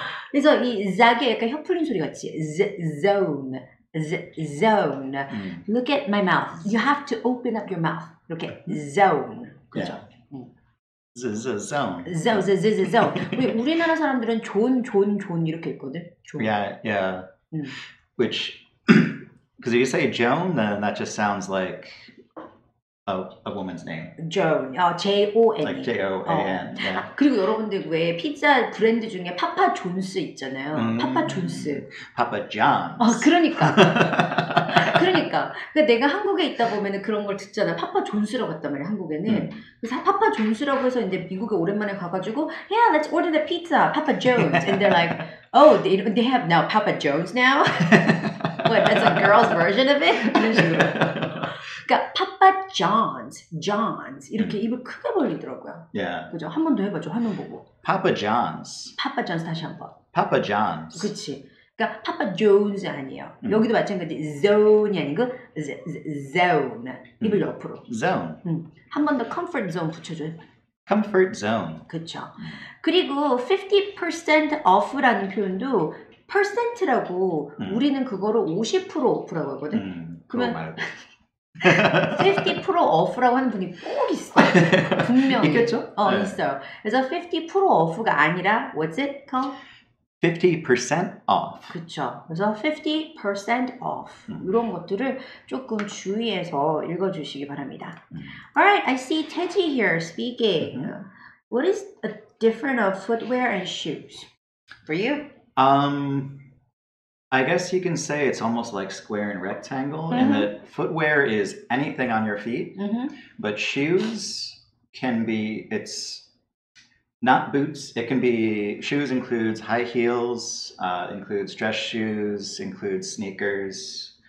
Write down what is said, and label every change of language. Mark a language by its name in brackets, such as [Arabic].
[Korean] 그래서 이 자기야 약간 혀 풀린 소리 같지? [English] Zone. Zone. Look at my mouth. You have to open up your mouth. [Korean] 이렇게 zone. 그죠? [English] Z-Z-Zone. Yeah. Z-Z-Zone. [Korean] 우리 우리나라 사람들은 존 이렇게 읽거든? 존. [English] Yeah, yeah. Which, because if you say Joan, then that just sounds like a woman's name. Joan. J-O-N. Like J-O-A-N. [Korean] 어. [English] Yeah. [Korean] 그리고 여러분들 왜 피자 브랜드 중에 파파 존스 있잖아요. 파파 존스. [English] Papa John's. [Korean] 어, 그러니까. 그러니까. 그러니까 내가 한국에 있다 보면은 그런 걸 듣잖아. 파파 존스라고 했단 말이야, 한국에는. 그래서 파파 존스라고 해서 이제 미국에 오랜만에 가가지고 [English] Yeah, let's order the pizza. Papa Jones. And they're like, oh, they have now Papa Jones now? What, that's a girl's version of it? [Korean] 이런 식으로. 그러니까 파파 존스 이렇게 입을 크게 벌리더라고요. [English] Yeah. [Korean] 그죠? 한 번 더 해봐줘. 한 번 보고. 파파 존스. 파파 존스 다시 한 번. 파파 존스. 그렇지. 그러니까 파파 존스 아니에요. 여기도 마찬가지. 존이 아니고 zone. 입을 옆으로. [English] Zone. [Korean] 한 번 더 comfort zone 붙여줘. [English] Comfort zone. [Korean] 그렇죠. 그리고 50% off라는 표현도 percent라고 우리는 그거를 50% off라고 하거든. 그러면 50% off라고 하는 분이 꼭 있어. 분명히. 있겠죠? 어, 네. 있어요. 그래서 50% off가 아니라, [English] what's it called? 50% off. [Korean] 그쵸. 그래서 50% off. 이런 것들을 조금 주의해서 읽어주시기 바랍니다. [English] Alright, I see Teji here speaking. What is the difference of footwear and shoes for you? I guess you can say it's almost like square and rectangle in that footwear is anything on your feet, but shoes can be, it's not boots, it can be, shoes includes high heels, includes dress shoes, includes sneakers.